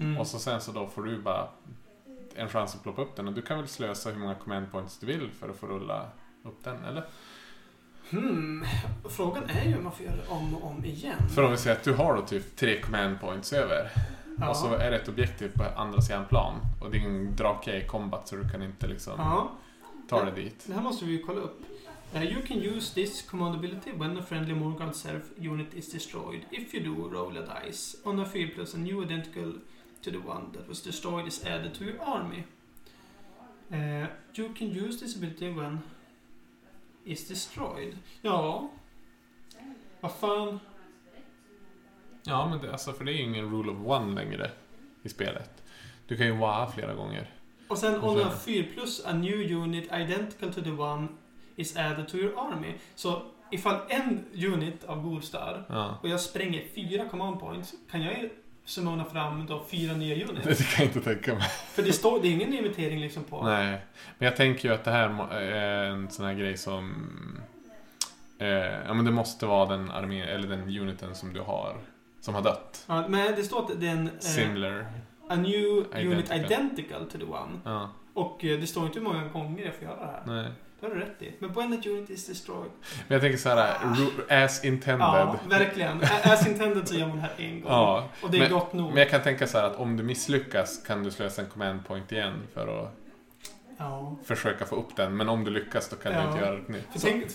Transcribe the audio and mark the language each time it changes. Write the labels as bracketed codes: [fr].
[sv] Och så sen så då får du bara en chans att ploppa upp den. Och du kan väl slösa hur många command points du vill för att få rulla upp den, eller? Frågan är ju om man får göra om och om igen. För om vi säger att du har då typ 3 command points över. Ja. Och så är det ett objektiv på andra sidan plan. Och din drake är i combat, så du kan inte liksom ta det dit. Det här måste vi ju kolla upp. [en] You can use this command ability when a friendly Morgan serf unit is destroyed. If you do, roll a dice. On a 4 plus a new identical to the one that was destroyed is added to your army. You can use this ability when... [sv] is destroyed. Ja. Vad fan? Ja, men det, alltså, för det är ju ingen rule of one längre i spelet. Du kan ju vara flera gånger. Och sen om du har [en] 4 plus a new unit identical to the one is added to your army. [sv] Så ifall en unit av ghouls dör och jag spränger 4 command points, kan jag ju summona fram då 4 nya units. Det kan jag inte tänka mig. För det är ingen imitering liksom på. Nej, men jag tänker ju att det här är en sån här grej som... ja, men det måste vara den armé eller den uniten som du har, som har dött. Ja, men det står att det är en... [en] similar. A new unit identical to the one. [sv] Ja. Och det står inte hur många gånger jag får göra det här. Nej. Det har du rätt i. Men [en] when the unit is destroyed... [sv] Men jag tänker så här, [en] as intended. [sv] Ja, verkligen. [en] As intended [sv] så gör man det här en gång. Ja, och det är gott nog. Men jag kan tänka så här, att om du misslyckas kan du slösa en command point igen för att försöka få upp den. Men om du lyckas, då kan du inte göra det nytt.